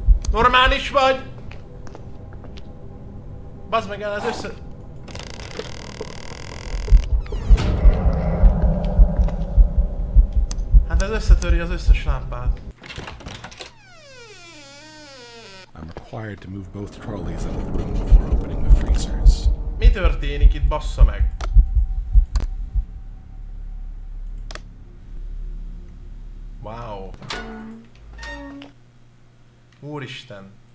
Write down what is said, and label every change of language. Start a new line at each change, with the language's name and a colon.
Hungarian: Normális vagy? Bazd meg el, ez össze... Hát ez összetöri az összes lámpát.
English: I'm required to move both trolleys out of the room before opening the freezers.
Hungarian: Mi történik itt, bassza meg? Wow. Úristen.